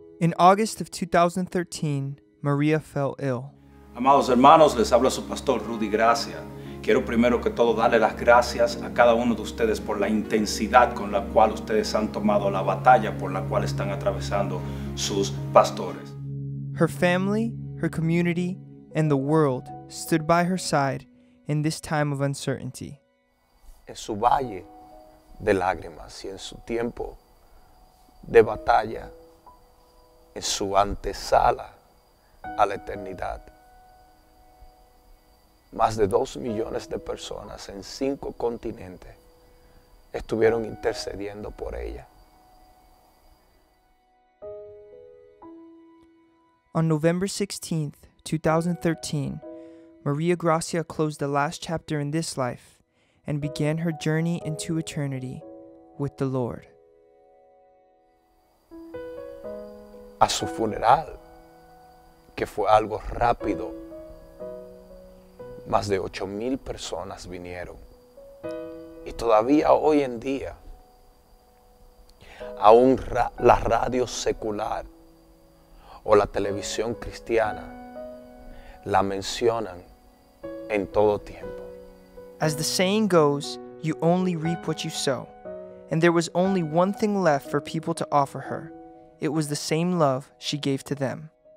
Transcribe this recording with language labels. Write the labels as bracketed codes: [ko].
[en] In August of 2013, Maria fell ill. [es] Amados hermanos, les habla su pastor Rudy Gracia. Quiero primero que todo darle las gracias a cada uno de ustedes por la intensidad con la cual ustedes han tomado la batalla por la cual están atravesando sus pastores. [en] Her family, her community, and the world stood by her side in this time of uncertainty. [es] En su valle de lágrimas y en su tiempo de batalla, en su antesala a la eternidad, más de 2 millones de personas en 5 continentes estuvieron intercediendo por ella. [en] On November 16th, 2013, Maria Gracia closed the last chapter in this life and began her journey into eternity with the Lord. [es] A su funeral, que fue algo rápido, más de 8,000 personas vinieron. Y todavía hoy en día, aún la radio secular o la televisión cristiana la mencionan en todo tiempo. [en] As the saying goes, you only reap what you sow. And there was only one thing left for people to offer her. It was the same love she gave to them.